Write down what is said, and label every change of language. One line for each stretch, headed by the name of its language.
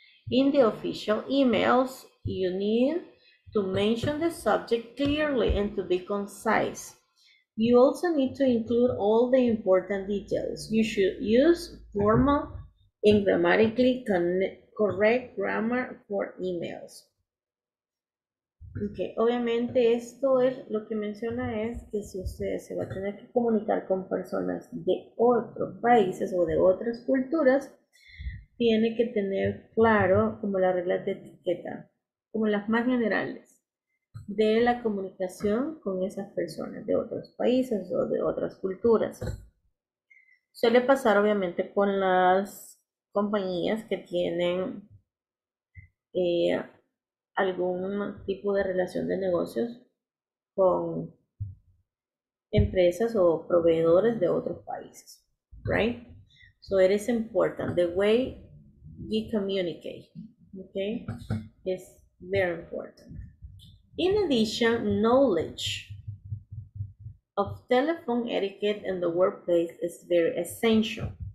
English: In the official emails, you need to mention the subject clearly and to be concise. You also need to include all the important details. You should use formal and grammatically correct grammar for emails.
Spanish: Okay, obviamente esto es lo que menciona es que si usted se va a tener que comunicar con personas de otros países o de otras culturas, tiene que tener claro como las reglas de etiqueta, como las más generales de la comunicación con esas personas de otros países o de otras culturas. Suele pasar obviamente con las compañías que tienen algún tipo de relación de negocios con empresas o proveedores de otros países,
English: right? So it is important, the way you communicate, okay? It's very important. In addition, knowledge of telephone etiquette in the workplace is very essential.